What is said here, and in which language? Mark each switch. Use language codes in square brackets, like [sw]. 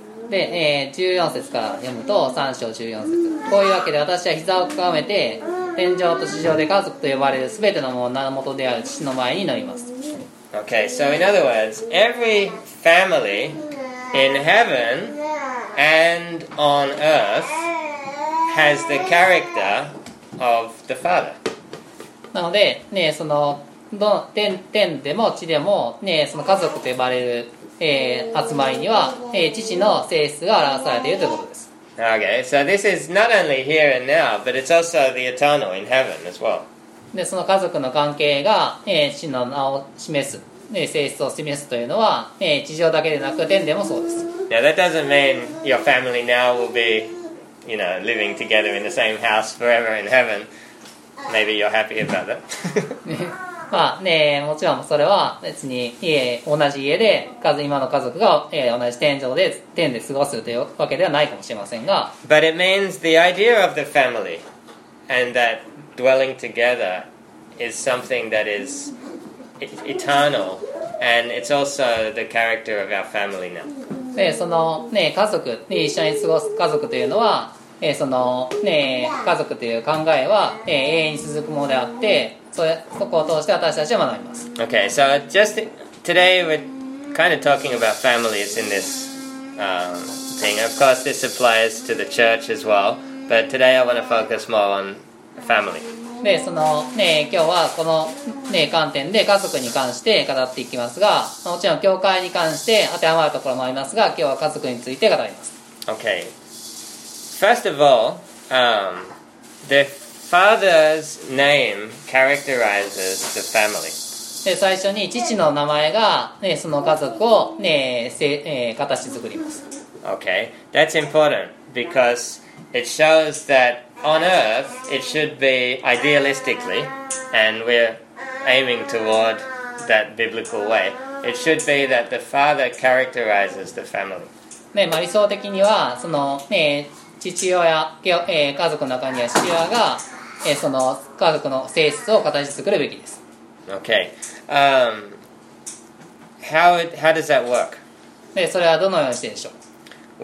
[ja] で、14節から読むと3章14節こういうわけで私は膝をかがめて天上と地上で家族と呼ばれる全てのものの元である父の前に乗ります。 [en] Okay, so in other words, every family in heaven and on earth has the character of the Father. [ja] なので、ね、その 天でも地でも、ね、その家族と呼ばれる集まりには、父の性質が表されているということです。 [en] Okay, so this is not only here and now, but it's also the eternal in heaven as well. [ja] で、その家族の関係が、父の名を示す、性質を示すというのは、地上だけでなく天でもそうです。 [en] Now that doesn't mean your family now will be, you know, living together in the same house forever in heaven. Maybe you're happy about that. [ja] まあね、もちろんそれは別に同じ家で今の家族が同じ天井で天で過ごすというわけではないかもしれませんが、 [en] But it means the idea of the family and that dwelling together is something that is eternal and it's also the character of our family now. [ja] で、その、ね、家族一緒に過ごす家族というのはその、ね、家族という考えは永遠に続くものであって、そこを通して私たちは学びます。 [en] Okay, so just today we're kind of talking about families in this thing. Of course, this applies to the church as well, but today I want to focus more on family. [ja] で、そのね、今日はこのね、観点で家族に関して語っていきますが、もちろん教会に関して当てはまるところもありますが、今日は家族について語ります。 [en] Okay. First of all, the Father's name characterizes the family. [ja] で、最初に父の名前が、ね、その家族を、ね、形作ります。 [en] Okay, that's important because it shows that on earth it should be idealistically, and we're aiming toward that biblical way, it should be that the Father characterizes the family. [ja] ね、まあ、理想的にはその、ね、父親、家族の中には父親がその家族の性質を形作るべきです。 [en] Okay. How does that work? [ja] で、それはどのようにしてでしょう?